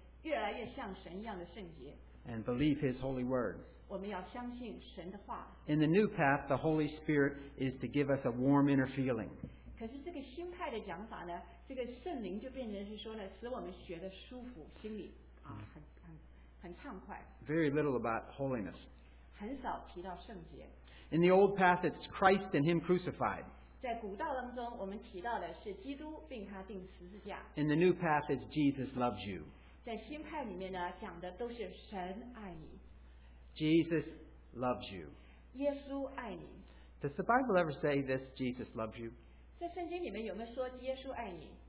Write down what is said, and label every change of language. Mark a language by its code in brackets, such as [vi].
[zh] 在古道当中，我们的圣灵呢，是让我们能够成圣，让我们能够像神越来越像神一样的圣洁。 [en] And believe His holy word. [zh] 我们要相信神的话。 [en] In the new path, the Holy Spirit is to give us a warm inner feeling. [zh] 可是这个新派的讲法呢，这个圣灵就变成是说呢，使我们学得舒服，心里啊很畅快。 [en] Very little about holiness. [zh] 很少提到圣洁。 [en] In the old path, it's Christ and Him crucified. [zh] 在古道当中，我们提到的是基督并他钉十字架。 [en] In the new path, it's Jesus loves you. [zh] 在新派里面呢，讲的都是神爱你。Jesus [en] loves you. [zh] 耶稣爱你。Does [en] the Bible ever say this, Jesus loves you? [zh] 在圣经里面有没有说耶稣爱你？